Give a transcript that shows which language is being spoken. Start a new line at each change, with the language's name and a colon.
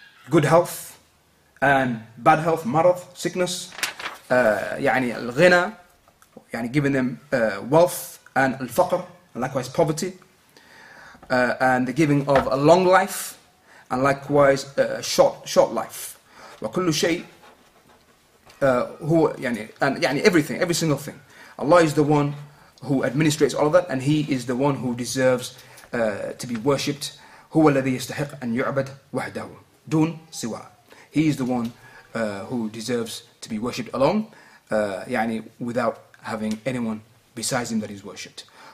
English: good health, and bad health, marad, sickness,
Arabic: يعني الغنى, يعني
English: giving them wealth, and
Arabic: الفقر,
English: and likewise poverty, and the giving of a long life, and likewise a short life.
Arabic: وكل شيء هو يعني,
English: and
Arabic: يعني
English: everything, every single thing. Allah is the one who administrates all of that, and He is the one who deserves to be worshipped.
Arabic: هو الذي يستحق أن يعبد وحده دون سواه.
English: He is the one who deserves to be worshipped alone,
Arabic: يعني
English: without having anyone besides him that is worshipped.